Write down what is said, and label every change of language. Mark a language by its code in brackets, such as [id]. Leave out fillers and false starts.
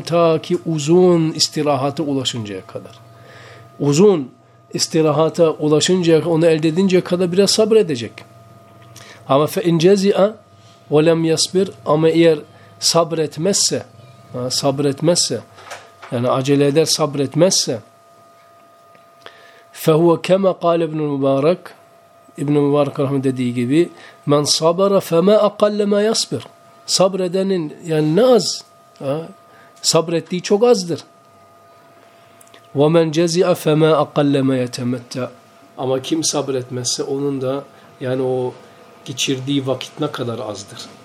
[tr] Ta ki uzun istirahata ulaşıncaya kadar. Uzun istirahata ulaşıncaya kadar, onu elde edinceye kadar biraz sabredecek. Ama [ar] فَاِنْ جَزِعَ وَلَمْ يَصْبِرْ [tr] Ama eğer sabretmezse, sabretmezse, yani acele eder sabretmezse, [ar] فَهُوَ كَمَا قَالَ اِبْنُ الْمُبَارَكِ [tr] İbn-i Mübarek Rahman dediği gibi, [ar] مَنْ صَبَرَ فَمَا أَقَلَّ مَا يَصْبِرْ [tr] Sabredenin, yani ne az, sabrettiği çok azdır. [ar] وَمَنْ جَزِعَ فَمَا أَقَلَّ مَا يَتَمَتَّ [tr] Ama kim sabretmezse onun da, yani o geçirdiği vakit ne kadar azdır.